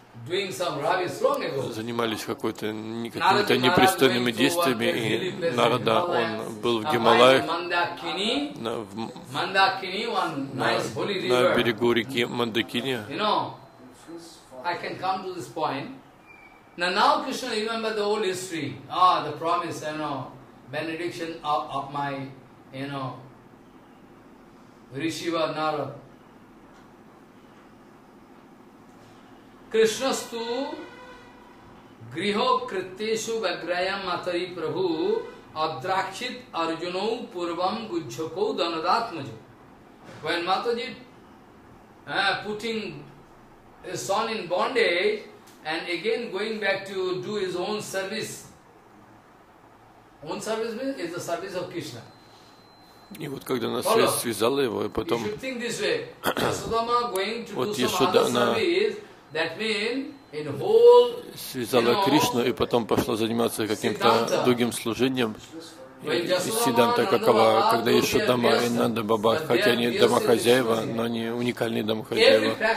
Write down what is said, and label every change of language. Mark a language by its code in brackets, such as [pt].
[ru] занимались какими-то непристойными действиями, и Нарада, он был в Гималаях, на берегу реки Мандакини. [en] I can come to this point. Now Krishna, remember the old history. Ah, the promise, you know, benediction of my, you know, Rishiva Nara. [sa] Krishnastu griho kriteshu vagrayam atari prahu adrakshit arjuno purvam gujhako danadatmajo. [en] When Mataji putting his son in bondage and again going back to do his own service means is the service of Krishna. [ru] И вот когда она связала его, и потом [en] Yashodama going to do some other service, that means in whole [ru] связала Кришну и потом пошла заниматься каким-то другим служением. И Сиддханта какова, когда Яшодама и Нанда Баба, хотя они домохозяева, но они уникальные домохозяева.